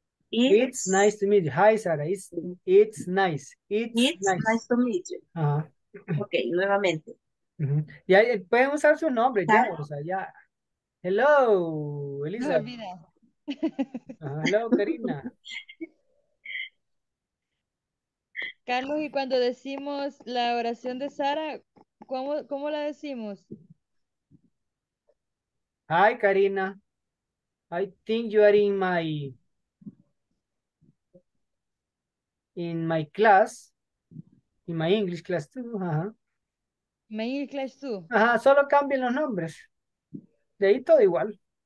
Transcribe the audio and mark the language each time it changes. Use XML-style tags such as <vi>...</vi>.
<en>It's nice to meet you. Hi, Sarah. It's nice. It's nice to meet you. Uh-huh.</en> <es>Okay, nuevamente. Y ahí pueden usar su nombre, ya, o sea, ya.</es> <en>Hello, Elisa.</en> <es>No olvida.</es> <en>Hello, Karina.</en> <es>Carlos, y cuando decimos la oración de Sara, ¿cómo la decimos?</es> <en>Hi, Karina. I think you are in my class, in my English class too. My English class too.</en> <es>Ajá, solo cambien los nombres. De ahí todo igual.</es>